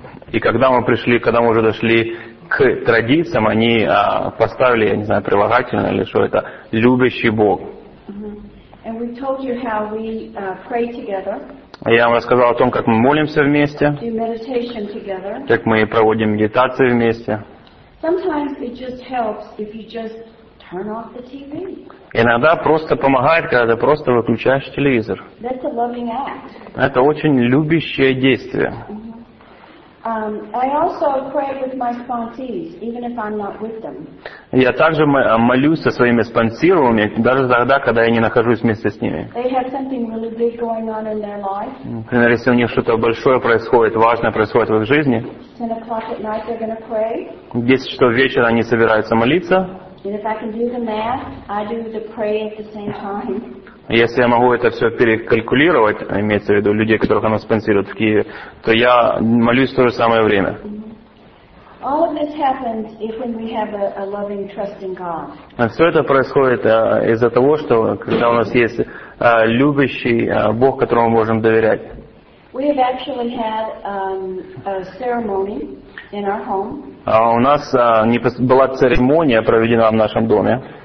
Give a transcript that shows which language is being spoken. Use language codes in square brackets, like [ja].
[ru] И когда мы пришли, когда мы уже дошли к традициям, они поставили, я не знаю, прилагательное или что это, любящий Бог. [en] And we told you how we pray together. [ru] Я вам рассказал о том, как мы молимся вместе, [en] do meditation together. [ru] Как мы проводим медитации вместе. [en] Sometimes it just helps if you just turn off the TV. [ru] Иногда просто помогает, когда ты просто выключаешь телевизор. [en] That's a loving act. [ru] Это очень любящее действие. [en] I also pray with my sponsees, even if I'm not with them. [ru] Я также молюсь со своими спонсировами, даже тогда, когда я не нахожусь вместе с ними. [en] They have something really big going on in their life. [ru] Например, если у них что-то большое происходит, важное происходит в их жизни. [en] 10 o'clock at night they're going to pray. [ru] 10 часов вечера они собираются молиться. [en] And if I can do the math, I do the pray at the same time. [ru] Если я могу это все перекалькулировать, имеется в виду людей, которых она спонсирует в Киеве, то я молюсь в то же самое время. [en] All of this happens if when we have a loving, trusting God. [ru] Все это происходит из-за того, что когда у нас есть любящий Бог, которому мы можем доверять. [en] We have actually had a ceremony in our home. [ru] У нас была церемония проведена в нашем доме.